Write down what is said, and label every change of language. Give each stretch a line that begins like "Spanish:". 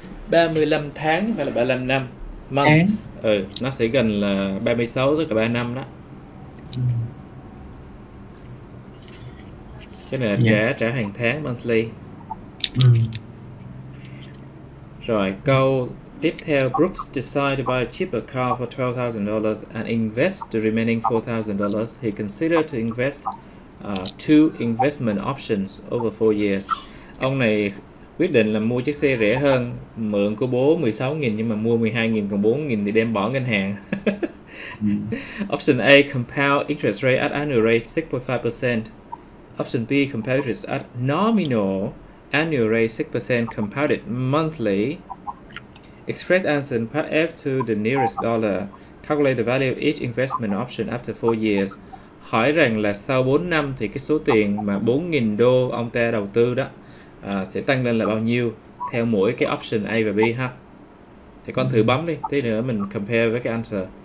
Vietnamese: 35 tháng hay là 35 năm tháng.
English: months.
Vietnamese: Ừ, nó sẽ gần là 36 tức là 3 năm đó. Cái này là trả trả hàng tháng monthly. Rồi, câu tiếp theo.
English: Brooks decided to buy a cheaper car for $12,000 and invest the remaining $4,000. He considered to invest two investment options over 4 years.
Vietnamese: Ông này quyết định là mua chiếc xe rẻ hơn, mượn của bố 16.000 nhưng mà mua 12.000 còn 4.000 thì đem bỏ ngân hàng.
English: Option A: compound interest rate at annual rate 6.5%. Option B: compound interest at nominal annual rate 6% compounded monthly. Express answer in part F to the nearest dollar. Calculate the value of each investment option after 4 years.
Vietnamese: Hỏi rằng là sau 4 năm thì cái số tiền mà 4.000 đô ông ta đầu tư đó sẽ tăng lên là bao nhiêu theo mỗi cái option A và B ha. Thì con thử bấm đi, tí nữa mình compare với cái answer.